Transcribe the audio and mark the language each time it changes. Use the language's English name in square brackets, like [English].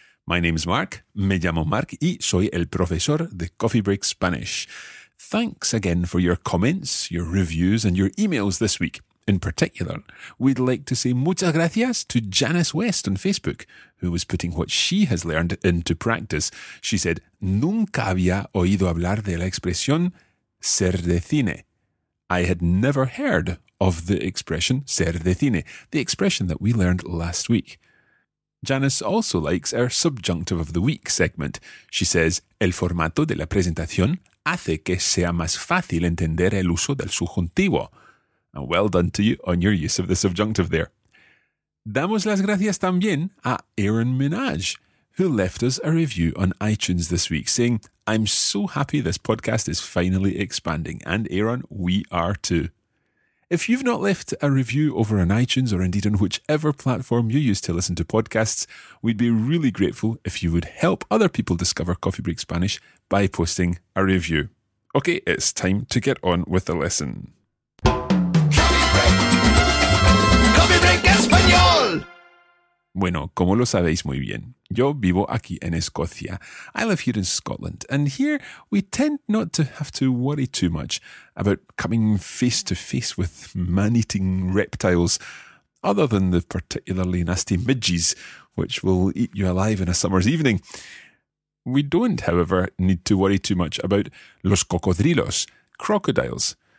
[English] My name's Mark, [Spanish] me llamo Mark y soy el profesor de Coffee Break Spanish. [English] Thanks again for your comments, your reviews and your emails this week. In particular, we'd like to say [Spanish] muchas gracias [English] to Janice West on Facebook, who was putting what she has learned into practice. She said, [Spanish] nunca había oído hablar de la expresión ser de cine. [English] I had never heard of the expression [Spanish] ser de cine, [English] the expression that we learned last week. Janice also likes our subjunctive of the week segment. She says, [Spanish] el formato de la presentación hace que sea más fácil entender el uso del subjuntivo. [English] And well done to you on your use of the subjunctive there. [Spanish] Damos las gracias también a [English] Aaron Minaj, who left us a review on iTunes this week, saying, I'm so happy this podcast is finally expanding. And Aaron, we are too. If you've not left a review over on iTunes or indeed on whichever platform you use to listen to podcasts, we'd be really grateful if you would help other people discover Coffee Break Spanish by posting a review. Okay, it's time to get on with the lesson. [Spanish] Bueno, como lo sabéis muy bien, yo vivo aquí en Escocia. [English] I live here in Scotland, and here we tend not to have to worry too much about coming face to face with man-eating reptiles, other than the particularly nasty midges, which will eat you alive in a summer's evening. We don't, however, need to worry too much about [Spanish] los cocodrilos, [English] crocodiles.